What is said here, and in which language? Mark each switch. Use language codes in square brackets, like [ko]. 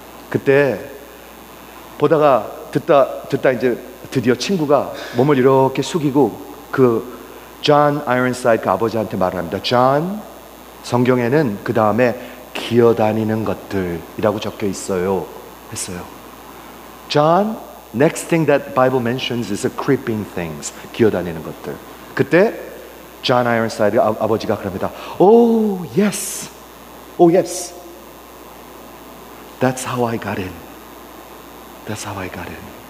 [ko] 그때 보다가 듣다 이제 드디어 친구가 몸을 이렇게 숙이고 그 존 아이런사이드 그 아버지한테 말을 합니다. 존, 성경에는 그 다음에 기어다니는 것들이라고 적혀 있어요. 했어요. [en] John, next thing that Bible mentions is a creeping things. [ko] 기어다니는 것들. 그때 John Ironside 아버지가 그럽니다. [en] Oh, yes. Oh, yes. That's how I got in. That's how I got in.